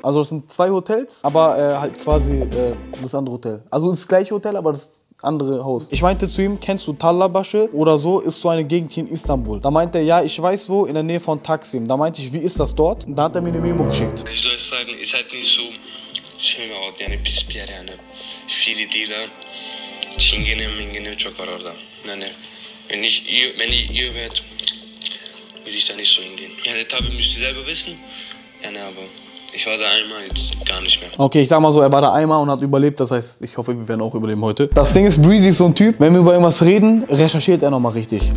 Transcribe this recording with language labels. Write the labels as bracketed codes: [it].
[de] Also es sind 2 Hotels, aber halt quasi das andere Hotel. Also das gleiche Hotel, aber das andere Haus. Ich meinte zu ihm, kennst du Talabashi oder so, ist so eine Gegend hier in Istanbul. Da meinte er, ja, ich weiß wo, in der Nähe von Taksim. Da meinte ich, wie ist das dort? Und da hat er mir eine Memo geschickt. Ich soll es sagen, ist halt nicht so... Schöner Ort, [tr] yani pis bir yer yani. [de] Viele Dealer, [tr] Çingene, Mingene çok var orada. [de] Yani wenn ich ihr werde, würde ich da nicht so hingehen. [tr] Yani tabi [de] müsst ihr selber wissen, yani aber... Ich war da einmal jetzt gar nicht mehr. Okay, ich sag mal so, er war da einmal und hat überlebt. Das heißt, ich hoffe, wir werden auch überleben heute. Das Ding ist, Breezy ist so ein Typ. Wenn wir über irgendwas reden, recherchiert er nochmal richtig.